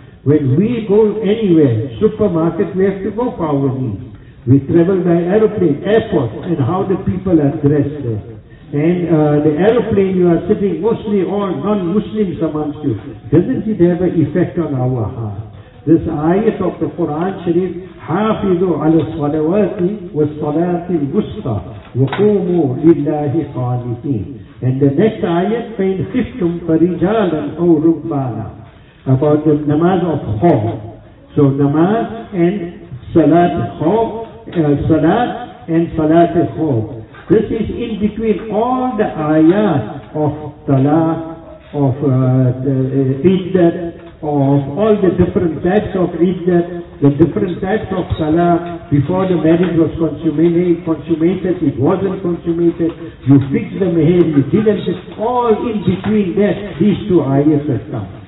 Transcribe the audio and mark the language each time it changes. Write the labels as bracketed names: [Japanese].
[English] When we go anywhere, supermarket, we have to go for our needs. We travel by aeroplane, airport, and how the people are dressed there. And the aeroplane, you are sitting mostly all non-Muslims amongst you. Doesn't it have an effect on our heart? This ayat of the Quran Sharif, [Arabic] حَافِذُوا عَلَى الصَّلَوَاتِ وَالصَّلَاةِ الْوُسْطَى وَقُومُوا لِلَّهِ قَانِتِينَ. [English] And the next ayat, [Arabic] فَإِنْ خِفْتُمْ فَرِجَالًا أَوْ رُبَّانًا. [English] About the namaz of khawf. So namaz and salat khawf, salat and salat khawf. This is in between all the ayat of talaq, of iddat, of all the different types of iddat, the different types of salah, before the marriage was consummated, it wasn't consummated, you fixed the mihr, you didn't, all in between that, these two ayats have come.